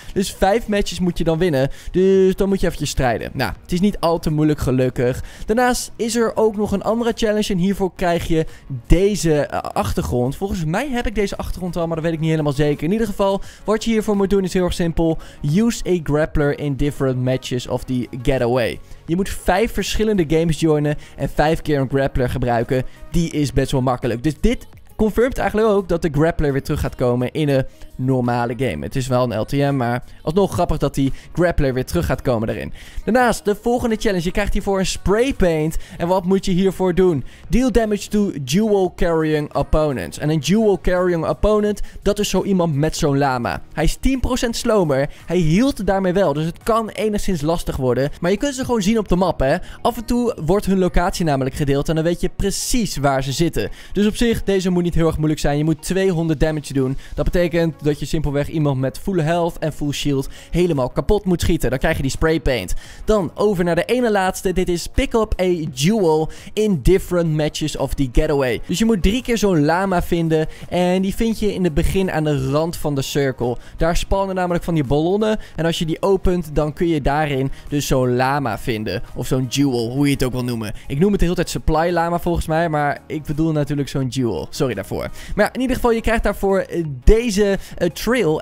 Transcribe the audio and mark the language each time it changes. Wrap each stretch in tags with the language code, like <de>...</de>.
<nl>Dus 5 matches moet je dan winnen. Dus dan moet je eventjes strijden. Nou, het is niet al te moeilijk gelukkig. Daarnaast is er ook nog een andere challenge en hiervoor krijg je deze achtergrond. Volgens mij heb ik deze achtergrond al, maar dat weet ik niet helemaal zeker. In ieder geval, wat je hiervoor moet doen is heel erg simpel.</nl> <en>Use a grappler in different matches of the Getaway.</en> <nl>Je moet 5 verschillende games joinen en 5 keer een grappler gebruiken. Die is best wel makkelijk. Dus dit confirmt eigenlijk ook dat de grappler weer terug gaat komen in een normale game. Het is wel een LTM, maar alsnog grappig dat die grappler weer terug gaat komen daarin. Daarnaast, de volgende challenge. Je krijgt hiervoor een spray paint. En wat moet je hiervoor doen?</nl> <en>Deal damage to dual carrying opponents.</en> <nl>En een dual carrying opponent, dat is zo iemand met zo'n lama. Hij is 10% slomer. Hij hield daarmee wel, dus het kan enigszins lastig worden. Maar je kunt ze gewoon zien op de map, hè. Af en toe wordt hun locatie namelijk gedeeld en dan weet je precies waar ze zitten. Dus op zich, deze moet niet heel erg moeilijk zijn. Je moet 200 damage doen. Dat betekent dat je simpelweg iemand met full health en full shield helemaal kapot moet schieten. Dan krijg je die spray paint. Dan over naar de ene laatste. Dit is</nl> <en>pick up a jewel in different matches of the Getaway.</en> <nl>Dus je moet 3 keer zo'n lama vinden en die vind je in het begin aan de rand van de cirkel. Daar spannen namelijk van die ballonnen en als je die opent, dan kun je daarin dus zo'n lama vinden. Of zo'n jewel, hoe je het ook wil noemen. Ik noem het de hele tijd supply lama volgens mij, maar ik bedoel natuurlijk zo'n jewel. Sorry daarvoor. Maar ja, in ieder geval, je krijgt daarvoor deze trail.</nl>